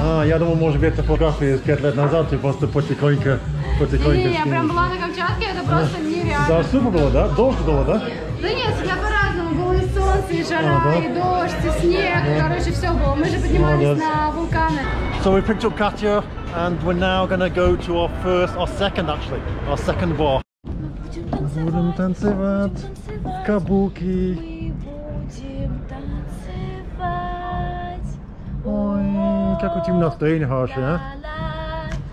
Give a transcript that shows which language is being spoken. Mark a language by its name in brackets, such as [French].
[Russian] А, я думал, может быть, это фотография 5 лет назад, ты просто потихоньку. Не, я прям была на Камчатке, это просто нереально. Да, супер было, да? Дождь было, да? Да нет, всегда по-разному. Было и солнце, и жара, да? И дождь, и снег. Да. Короче, все было. Мы же поднимались на вулканы. [English] So we picked up Katya, and we're now going to go to our second bar. [Russian] Будем танцевать, кабуки. Будем танцевать. Ой, как у тебя настроение хорошее, а?